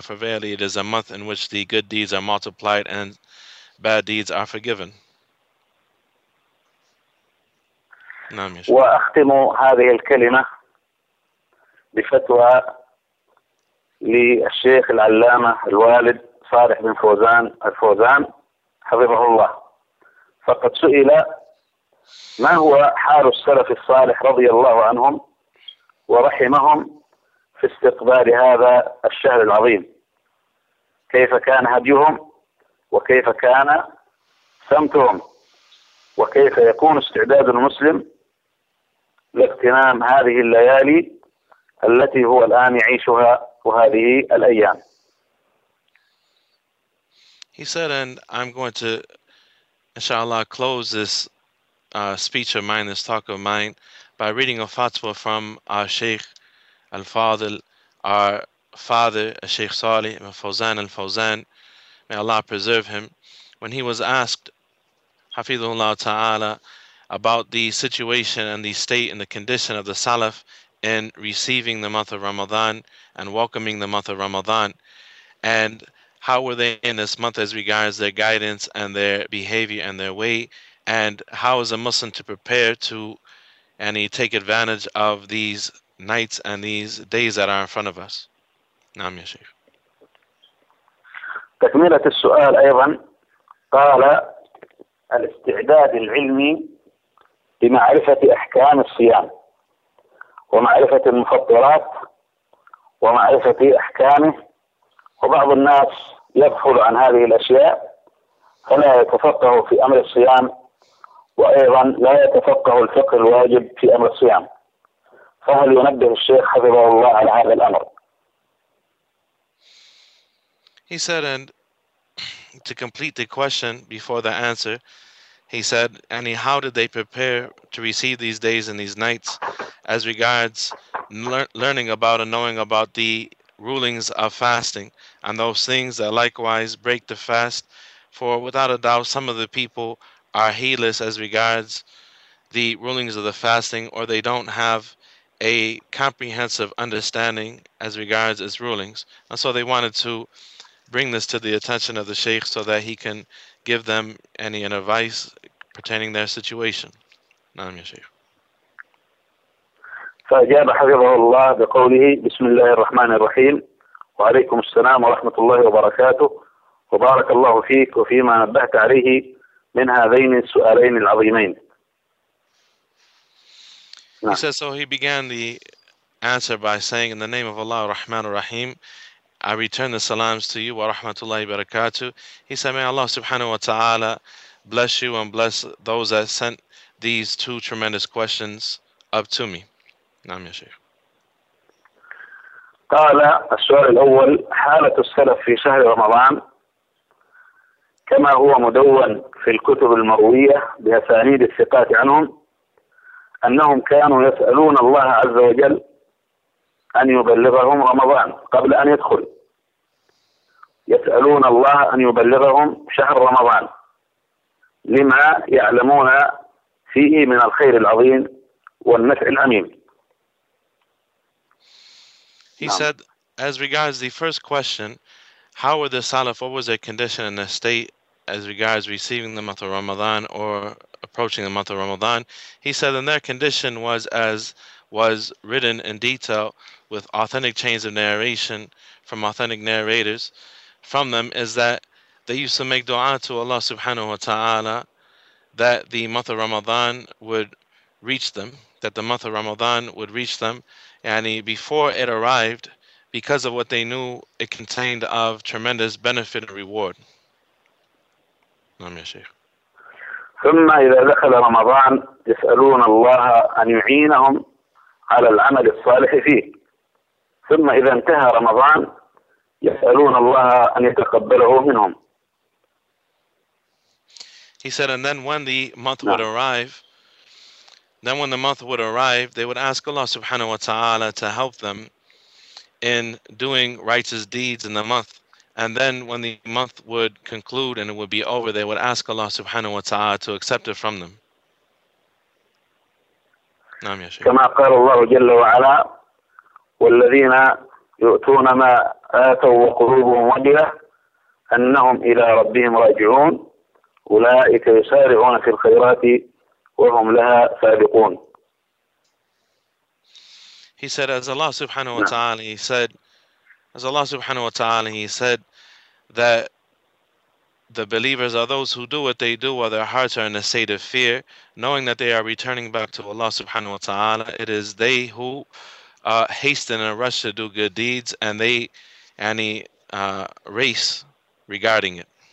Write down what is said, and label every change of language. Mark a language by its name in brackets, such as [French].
[English] For verily, it is a month in which the good deeds are multiplied and bad deeds are forgiven. [Arabic] نعم يا شيخ. وأختم هذه الكلمة بفتوى للشيخ العلامة الوالد صالح بن فوزان الفوزان حفظه الله. فقد سئل ما هو حال السلف الصالح رضي الله عنهم ورحمهم في استقبال هذا الشهر العظيم، كيف كان هديهم، وكيف كان سمتهم، وكيف يكون استعداد المسلم لاغتنام هذه الليالي التي هو الآن يعيشها وهذه الأيام. [English] He said, and I'm going to inshallah close this speech of mine, this talk of mine, by reading a fatwa from our Sheikh Al-Fadl, our father, Sheikh Salih Ibn Fawzan Al-Fawzan, may Allah preserve him. When he was asked, Hafidhullah Ta'ala, about the situation and the state and the condition of the Salaf in receiving the month of Ramadan and welcoming the month of Ramadan, and how were they in this month as regards their guidance and their behavior and their way, and how is a Muslim to prepare to and take advantage of these nights and these days that are in front of us? [Arabic] Naam ya Sheikh. تكملة السؤال أيضا قال الاستعداد العلمي بمعرفة أحكام الصيام ومعرفة المفطرات ومعرفة أحكامه، وبعض الناس يبخل عن هذه الأشياء فلا يتفقه في أمر الصيام، وأيضا لا يتفقه الفقه الواجب في أمر الصيام، فهل ينبه الشيخ حفظه الله على هذا الأمر؟ [English] He said, and to complete the question before the answer, he said, and how did they prepare to receive these days and these nights as regards learning about and knowing about the rulings of fasting and those things that likewise break the fast? For without a doubt, some of the people are heedless as regards the rulings of the fasting, or they don't have a comprehensive understanding as regards its rulings. And so they wanted to bring this to the attention of the Sheikh so that he can give them an advice pertaining their situation. [Arabic] نعم يا شيخ. فأجاب حفظه الله بقوله بسم الله الرحمن الرحيم وعليكم السلام ورحمة الله وبركاته، وبارك الله فيك وفيما نبهت عليه من هذين السؤالين العظيمين. [English] He said, so he began the answer by saying, in the name of Allah, Rahman, Rahim, I return the salams to you, [Arabic] wa rahmatullahi barakatuh. [English] He said, may Allah subhanahu wa ta'ala bless you and bless those that sent these two tremendous questions up to me. [Arabic] Naam ya Shaykh. Qala, as-su'al al-awwal, halatu as-salaf fi shahri Ramadan, kama huwa mudawwan fi al-kutub al-marwiyya bi asanid al-thiqat anhum, annahum kanu yas'aluna Allah azza wa jal أن يبلغهم رمضان قبل أن يدخل، يسألون الله أن يبلغهم شهر رمضان لما يعلمون فيه من الخير العظيم والنفع العميم. [English] He said, as regards the first question, how were the Salaf, what was their condition and their state as regards receiving the month of Ramadan or approaching the month of Ramadan? He said, and their condition was as was written in detail with authentic chains of narration from authentic narrators from them, is that they used to make dua to Allah subhanahu wa ta'ala that the month of Ramadan would reach them, that the month of Ramadan would reach them, and before it arrived, because of what they knew it contained of tremendous benefit and reward. [Arabic] ثم إذا دخل رمضان يسألون الله أن يعينهم على العمل الصالح فيه. ثم إذا انتهى رمضان يسألون الله أن يتقبله منهم. [English] He said, and then when the month would arrive, then when the month would arrive, they would ask Allah subhanahu wa ta'ala to help them in doing righteous deeds in the month. And then when the month would conclude and it would be over, they would ask Allah subhanahu wa ta'ala to accept it from them. [Arabic] Naam, ya Shaykh. كما قال الله جل وعلا والذين يؤتون ما آتوا وقلوبهم وجلة أنهم إلى ربهم راجعون أولئك يسارعون في الخيرات وهم لها سابقون. [English] He said, as Allah subhanahu wa ta'ala, he said, as Allah subhanahu wa ta'ala, he said that the believers are those who do what they do while their hearts are in a state of fear, knowing that they are returning back to Allah subhanahu wa ta'ala. It is they who hasten and rush to do good deeds, and they any race regarding it.